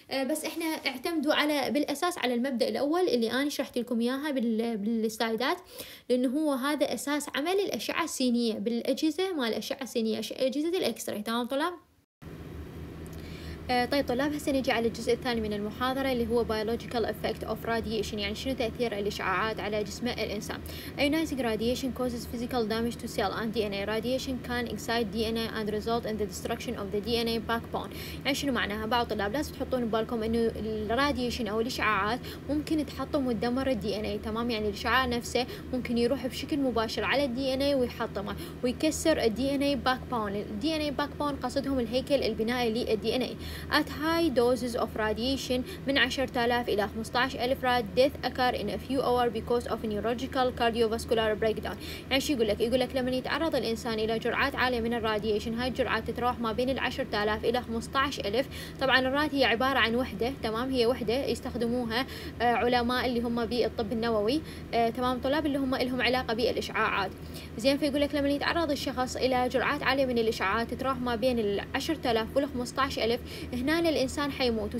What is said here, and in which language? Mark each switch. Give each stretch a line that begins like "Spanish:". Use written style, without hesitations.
Arabic: بس احنا اعتمدوا على بالاساس على المبدأ الاول اللي انا شرحت لكم اياها بالسلايدات، لانه هو هذا اساس عمل الاشعة السينية بالاجهزة مال الاشعة السينية اجهزة الاكس راي، تمام طلاب؟ طيب طلاب هسه نجي على الجزء الثاني من المحاضرة اللي هو
English: biological effect of radiation،
Arabic: يعني شنو تأثير الإشعاعات على جسم الإنسان.
English: ionizing radiation causes physical damage to cell and DNA. radiation can excite DNA and result in the destruction of the DNA backbone.
Arabic: يعني شنو معناها؟ بعض طلاب لازم تحطون ببالكم إنه الراديشن أو الإشعاعات ممكن تحطم وتدمر DNA، تمام؟ يعني الإشعاع نفسه ممكن يروح بشكل مباشر على DNA ويحطمه ويكسر DNA backbone. DNA backbone قصدهم الهيكل البنائي للDNA.
English: At high doses of radiation
Arabic: من 10,000 إلى 15,000
English: rad death occur in a few hours because of neurological cardiovascular breakdown.
Arabic: يعني شو يقول لك؟ يقول لك لما يتعرض الإنسان إلى جرعات عالية من الراديشن، هاي الجرعات تتراوح ما بين 10,000 إلى 15,000. طبعا الراد هي عبارة عن وحدة، تمام؟ هي وحدة يستخدموها علماء اللي هم بالطب النووي، تمام طلاب؟ اللي هم لهم علاقة بالإشعاعات، زين؟ فيقول لك لما يتعرض الشخص إلى جرعات عالية من الإشعاعات تتراوح ما بين 10,000 إلى 15,000، هنا الإنسان حيموت.